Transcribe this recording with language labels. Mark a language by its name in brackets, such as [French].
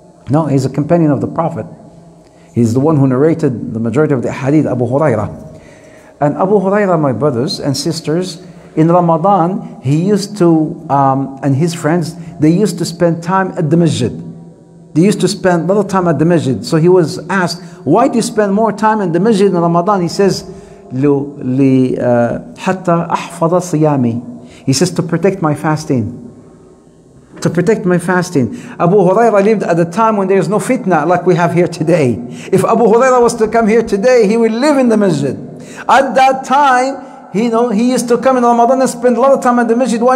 [English] No, he's a companion of the Prophet. He's the one who narrated the majority of the hadith, Abu Hurairah. And Abu Hurairah, my brothers and sisters, in Ramadan, he used to, and his friends, they used to spend time at the masjid. They used to spend a lot of time at the masjid. So he was asked, why do you spend more time in the masjid in Ramadan? [Arabic] He says, حَتَّى أَحْفَظَ صِيَامِي. [English] He says, to protect my fasting. To protect my fasting. Abu Hurairah lived at a time when there is no fitna like we have here today. If Abu Hurairah was to come here today, he would live in the masjid. At that time, he used to come in Ramadan and spend a lot of time at the masjid. Why?